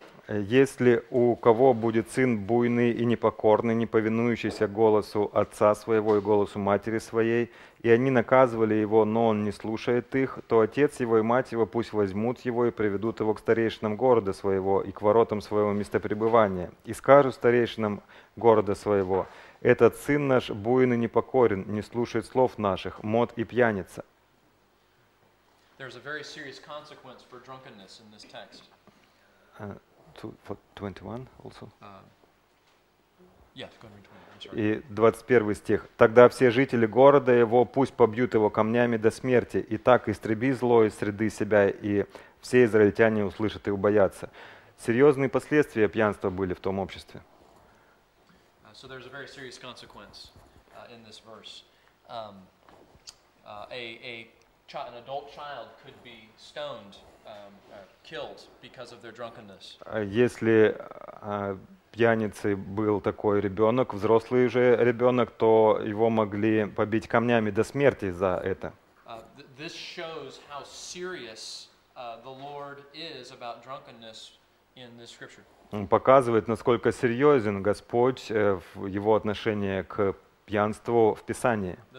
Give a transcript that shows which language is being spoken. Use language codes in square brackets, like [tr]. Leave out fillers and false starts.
[ru] «Если у кого будет сын буйный и непокорный, не повинующийся голосу отца своего и голосу матери своей, и они наказывали его, но он не слушает их, то отец его и мать его пусть возьмут его и приведут его к старейшинам города своего и к воротам своего места пребывания, и скажут старейшинам города своего: этот сын наш буйный и непокорен, не слушает слов наших, мод и пьяница». [en] There's a very serious consequence for drunkenness in this text. 21 also. Yeah, go ahead, 21. [ru] И 21 стих. «Тогда все жители города его пусть побьют его камнями до смерти, и так истреби зло из среды себя, и все израильтяне услышат и убоятся». Серьезные последствия пьянства были в том обществе. [en] So there's a very serious consequence in this verse. An adult child could be stoned, killed because of their drunkenness. [ru] Если пьяницей был такой ребенок, взрослый же ребенок, то его могли побить камнями до смерти за это. [en] This shows how serious the Lord is about drunkenness in this scripture. [ru] Показывает, насколько серьезен Господь в его отношении к пьянству в Писании.